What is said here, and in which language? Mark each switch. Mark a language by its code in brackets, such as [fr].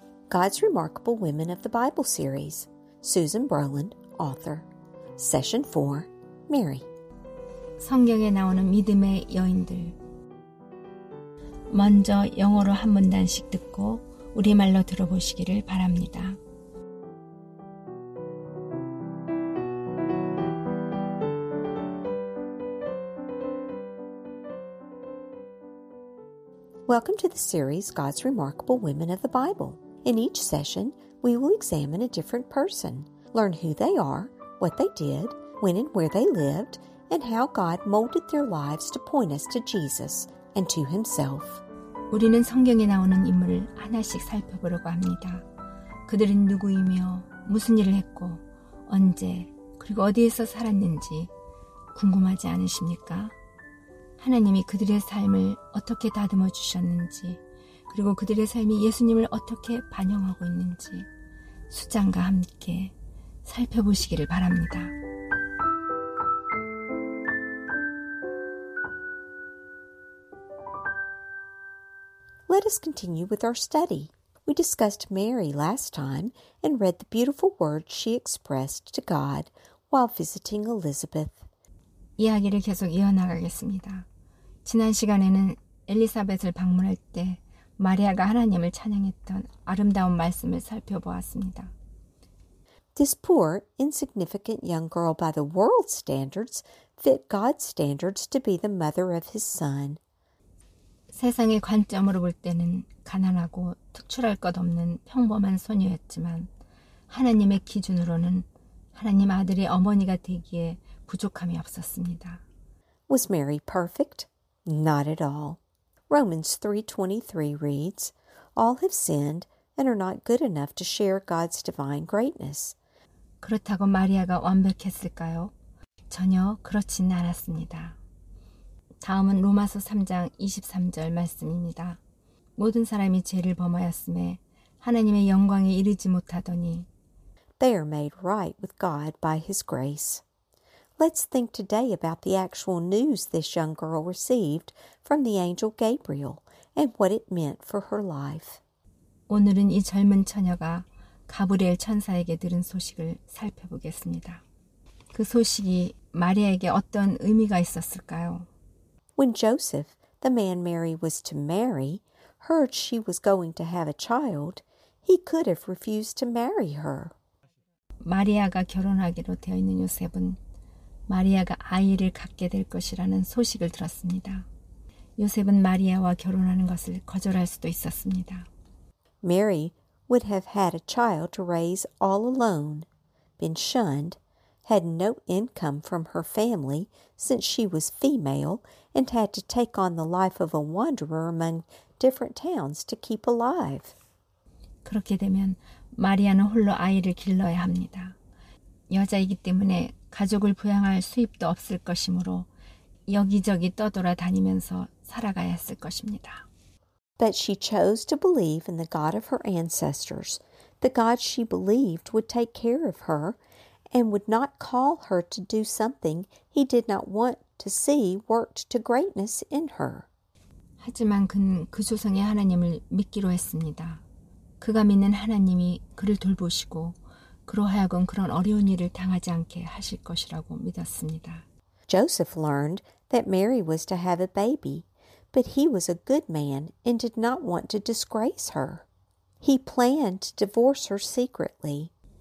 [en] God's Remarkable Women of the Bible Series. Susan Broland, author. Session 4, Mary. [ko] 성경에 나오는 믿음의 여인들. 먼저 영어로 한 문단씩 듣고 우리말로 들어보시기를 바랍니다. [en] Welcome to the series God's Remarkable Women of the Bible. In each session, we will examine a different person, learn who they are, what they did, when and where they lived, and how God molded their lives to point us to Jesus and to Himself. [ko] 우리는 성경에 나오는 인물을 하나씩 살펴보려고 합니다. 그들은 누구이며 무슨 일을 했고 언제 그리고 어디에서 살았는지 궁금하지 않으십니까? 하나님이 그들의 삶을 어떻게 다듬어 주셨는지 그리고 그들의 삶이 예수님을 어떻게 반영하고 있는지 수장과 함께 살펴보시기를 바랍니다. [en] let us continue with our study. We discussed Mary last time and read the beautiful words she expressed to God while visiting Elizabeth. [ko] 이야기를 계속 이어나가겠습니다. 지난 시간에는 엘리사벳을 방문할 때 마리아가 하나님을 찬양했던 아름다운 말씀을 살펴보았습니다. [en] This poor, insignificant young girl by the world's standards fit God's standards to be the mother of his son. [ko] 세상의 관점으로 볼 때는 가난하고 특출할 것 없는 평범한 소녀였지만 하나님의 기준으로는 하나님 아들의 어머니가 되기에 부족함이 없었습니다. [en] Was Mary perfect? Not at all. Romans 3:23 reads, All have sinned and are not good enough to share God's divine greatness. [ko] 그렇다고 마리아가 완벽했을까요? 전혀 그렇진 않았습니다. 다음은 로마서 3장 23절 말씀입니다. 모든 사람이 죄를 범하였음에 하나님의 영광에 이르지 못하더니 [en] They are made right with God by His grace. Let's think today about the actual news this young girl received from the angel Gabriel and what it meant for her life. [ko] 오늘은 이 젊은 처녀가 가브리엘 천사에게 들은 소식을 살펴보겠습니다. 그 소식이 마리아에게 어떤 의미가 있었을까요? [en] When Joseph, the man Mary was to marry, heard she was going to have a child, he could have refused to marry her. [ko] 마리아가 결혼하기로 되어 있는 요셉은 마리아가 아이를 갖게 될 것이라는 소식을 들었습니다. 요셉은 마리아와 결혼하는 것을 거절할 수도 있었습니다. [en] Mary would have had a child to raise all alone, been shunned, had no income from her family since she was female, and had to take on the life of a wanderer among different towns to keep alive. [ko] 그렇게 되면 마리아는 홀로 아이를 길러야 합니다. 여자이기 때문에 가족을 부양할 수입도 없을 것이므로 여기저기 떠돌아다니면서 살아가야 했을 것입니다. [en] But she chose to believe in the God of her ancestors, the God she believed would take care of her and would not call her to do something he did not want to see worked to greatness in her. [ko] 하지만 그는 그 조상의 하나님을 믿기로 했습니다. 그가 믿는 하나님이 그를 돌보시고 그러하여금 그런 어려운 일을 당하지 않게 하실 것이라고 믿었습니다. [en] Joseph learned that Mary was to have a baby, but he was a good man and did not want to disgrace her. He planned to divorce her secretly.